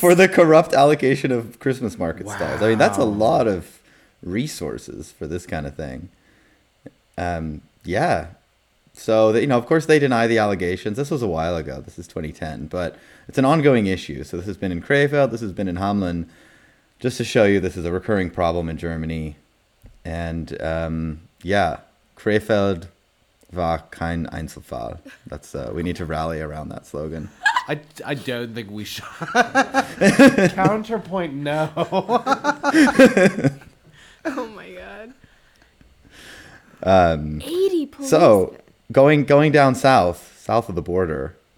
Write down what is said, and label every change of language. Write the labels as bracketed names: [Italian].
[English] For the corrupt allocation of Christmas market stalls. I mean, that's a lot of resources for this kind of thing. Yeah. So, you know, of course they deny the allegations. This was a while ago. This is 2010, but it's an ongoing issue. So this has been in Krefeld. This has been in Hamelin. Just to show you, this is a recurring problem in Germany. [German] And yeah, Krefeld war kein Einzelfall. [English] That's we need to rally around that slogan. I don't think we should. Counterpoint, no. Oh my God. 80 police. So, Going down south of the border.